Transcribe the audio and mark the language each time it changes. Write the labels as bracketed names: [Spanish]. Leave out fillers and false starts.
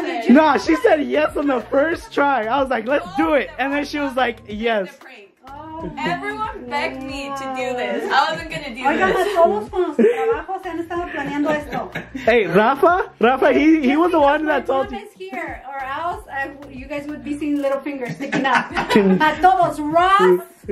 [English] No, she said yes on the first try. I was like, let's do it. And then she was like, yes. Everyone begged me to do this. I wasn't gonna do this. [Spanish] Oigan, todos con los trabajos han estado planeando esto. [English] Hey, Rafa, he was the one that told you. Here, or else you guys would be seeing little fingers sticking up. [Spanish] A todos, Rafa.